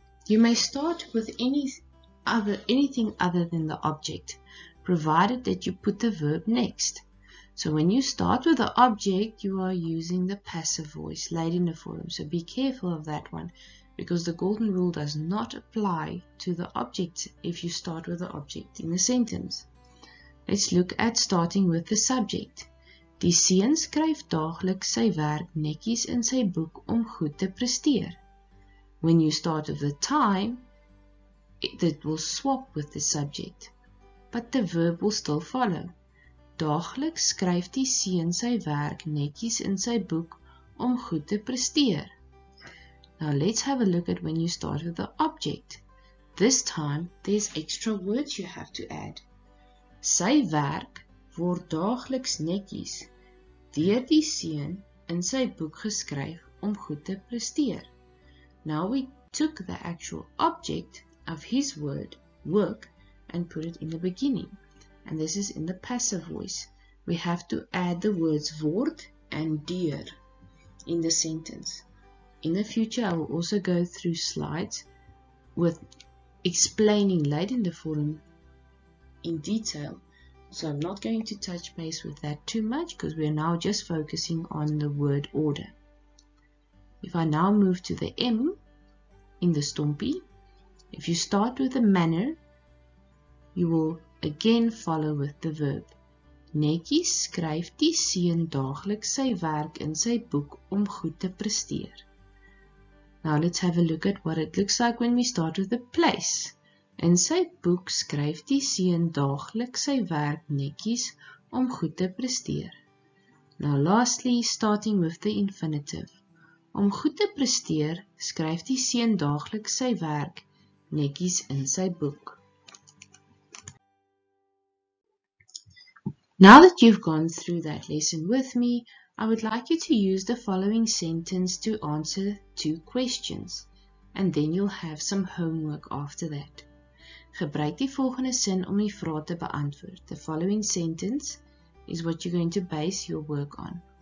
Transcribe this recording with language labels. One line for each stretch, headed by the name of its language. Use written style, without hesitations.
English: You may start with anything other than the object, provided that you put the verb next. So when you start with the object, you are using the passive voice, laid in the forum. So be careful of that one, because the golden rule does not apply to the object if you start with the object in the sentence. Let's look at starting with the subject.
Afrikaans: Die seun skryf daagliks sy werk netjies in sy boek om goed te presteer.
English: When you start with the time, it will swap with the subject, but the verb will still follow.
Afrikaans: Daagliks skryf die seun sy werk netjies in sy boek om goed te presteer.
English: Now let's have a look at when you start with the object. This time, there's extra words you have to add.
Afrikaans: Sy werk word daagliks netjies deur die seun in sy boek geskryf om goed te presteer.
English: Now we took the actual object of his word, work, and put it in the beginning. And this is in the passive voice. We have to add the words word and deur in the sentence. In the future, I will also go through slides with explaining later in the forum in detail. So I'm not going to touch base with that too much because we are now just focusing on the word order. If I now move to the M in the Stompi, if you start with the manner, you will again follow with the verb.
Afrikaans: Netjies skryf die seun daagliks sy werk in sy boek om goed te presteer.
English: Now let's have a look at what it looks like when we start with the place.
Afrikaans: In sy boek skryf die seun daagliks sy werk netjies om goed te presteer.
English: Now lastly, starting with the infinitive.
Afrikaans: Om goed te presteer, skryf die seun daagliks sy werk netjies in sy boek.
English: Now that you've gone through that lesson with me, I would like you to use the following sentence to answer two questions, and then you'll have some homework after that.
Afrikaans: Gebruik die volgende sin om die vraag te beantwoord.
English: The following sentence is what you're going to base your work on.